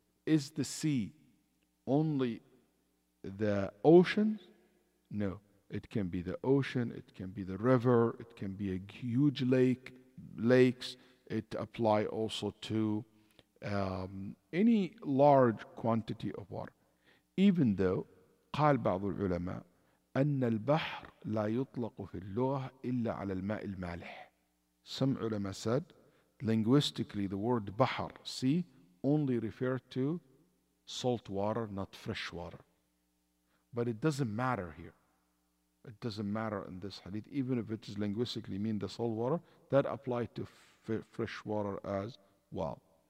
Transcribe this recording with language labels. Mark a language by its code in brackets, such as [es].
[en] Is the sea only the ocean? No. It can be the ocean, it can be the river, it can be a huge lake, lakes. It apply also to any large quantity of water. Even though, [ar] قال بعض العلماء أن البحر لا يطلق في اللغة إلا على الماء المالح. [en] Some ulama said, linguistically, the word bahar, sea, only referred to salt water, not fresh water. But it doesn't matter here. It doesn't matter in this hadith, even if it is linguistically mean the salt water, that applied to fresh water as well.